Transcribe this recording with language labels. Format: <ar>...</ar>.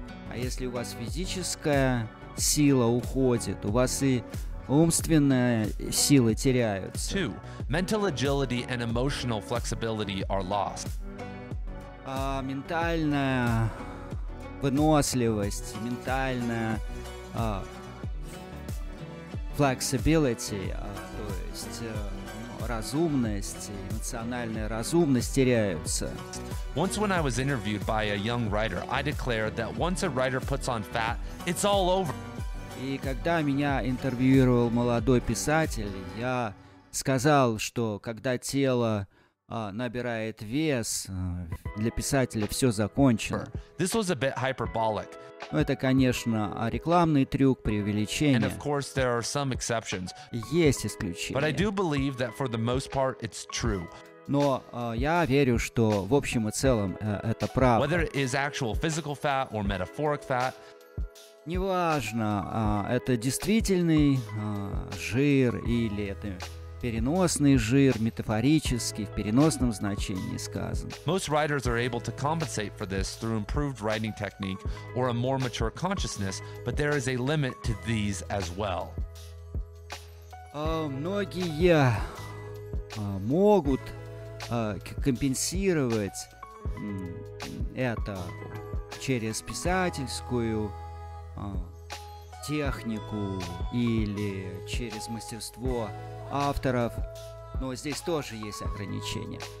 <ru>А если у вас физическая сила уходит, у вас и умственные силы теряются.</ru> <en>Two, mental agility and emotional flexibility are lost.</en> <ru>Ментальная выносливость, ментальная flexibility, то есть разумность, эмоциональная разумность теряются.</ru> <en>Once when I was interviewed by a young writer, I declared that once a writer puts on fat, it's all over.</en> <ru>И когда меня интервьюировал молодой писатель, я сказал, что когда тело набирает вес, для писателя все закончено.</ru> <en>This was a bit hyperbolic.</en> <ru>Ну, это, конечно, рекламный трюк, преувеличение.</ru> <en>And of course, there are some exceptions.</en> <ru>Есть исключения.</ru> <en>But I do believe that for the most part, it's true.</en> <ru>Но я верю, что в общем и целом это правда.</ru> <en>Whether it is actual physical fat or metaphoric fat.</en> <ru>Неважно, это действительный жир или это переносный жир, метафорический, в переносном значении сказан.</ru> <en>Most writers are able to compensate for this through improved writing technique or a more mature consciousness, but there is a limit to these as well.</en> <ru>Многие могут компенсировать это через писательскую технику или через мастерство авторов, но здесь тоже есть ограничения.</ru>